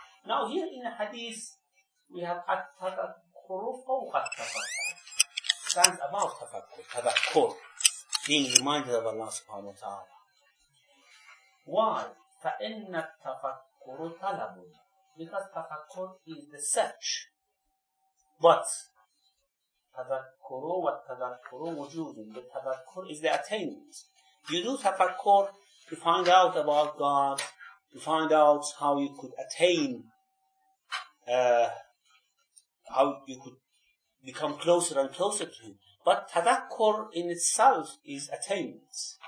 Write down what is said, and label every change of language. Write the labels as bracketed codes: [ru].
[en] Now, here in the hadith, we have at-tafakkur stands above tafakkur. Being reminded of Allah subhanahu wa ta'ala. Why? [ar] فَإِنَّ التَّفَكُّرُ طَلَبٌ. [en] Because tafakkur is the search. [ar] But تَذَكُّرُ وَالتَّذَكُّرُ وَجُودٌ. [en] The tafakkur is the attainment. You do tafakkur to find out about God, to find out how you could attain, how you could become closer and closer to Him. But tadakkur in itself is attainment.